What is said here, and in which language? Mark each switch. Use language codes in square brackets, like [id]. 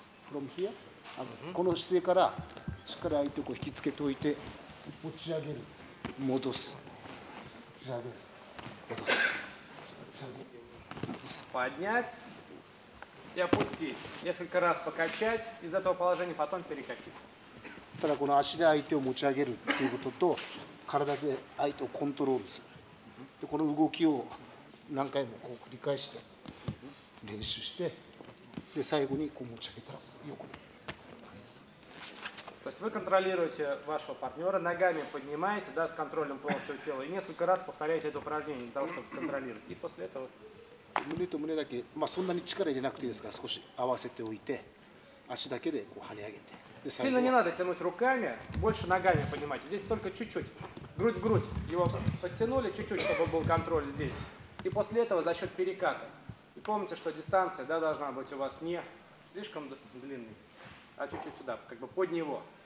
[en] From here, [ja] この姿勢からしっかり相手を引きつけておいて、持ち上げる、戻す、持ち上げる、戻す、持ち上げ [ru] る。Поднять и опустить. Несколько раз покачать из этого положения, потом перекатить. [ja] ただこの足で相手を持ち上げるということと体で相手をコントロールするでこの動きを何回もこう繰り返して練習してで最後にこう持ち上げたら横に。 [ru] То есть вы контролируете вашего партнера ногами поднимаете да с контролем полностью тела и несколько раз повторяете это упражнение для того чтобы контролировать и после этого [ja] 胸と胸だけまあそんなに力入れなくていいですから少し合わせておいて足だけでこう跳ね上げて。 [ru] Сильно не надо тянуть руками, больше ногами поднимать. Здесь только чуть-чуть, грудь в грудь. Его подтянули чуть-чуть, чтобы был контроль здесь. И после этого за счет переката. И помните, что дистанция да, должна быть у вас не слишком длинной, а чуть-чуть сюда, как бы под него.